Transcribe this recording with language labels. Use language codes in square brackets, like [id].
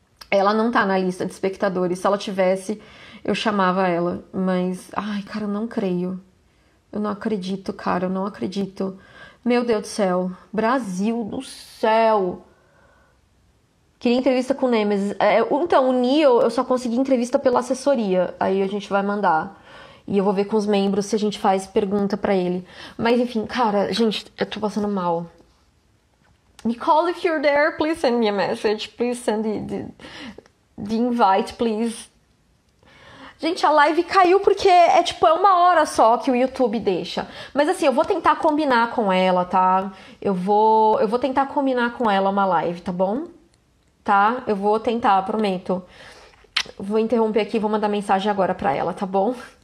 [pt] Ela não tá na lista de espectadores, se ela tivesse, eu chamava ela, mas, ai, cara, eu não creio, eu não acredito, cara, eu não acredito. Meu Deus do céu. Brasil do céu. Queria entrevista com o Nemesis. Então, o Neo, eu só consegui entrevista pela assessoria. Aí a gente vai mandar. E eu vou ver com os membros se a gente faz pergunta pra ele. Mas enfim, cara, gente, eu tô passando mal. [en] Nicole, if you're there, please send me a message. Please send the invite, please. [pt] Gente, a live caiu porque é tipo, é uma hora só que o YouTube deixa. Mas assim, eu vou tentar combinar com ela, tá? Eu vou tentar combinar com ela uma live, tá bom? Tá? Eu vou tentar, prometo. Vou interromper aqui, vou mandar mensagem agora pra ela, tá bom?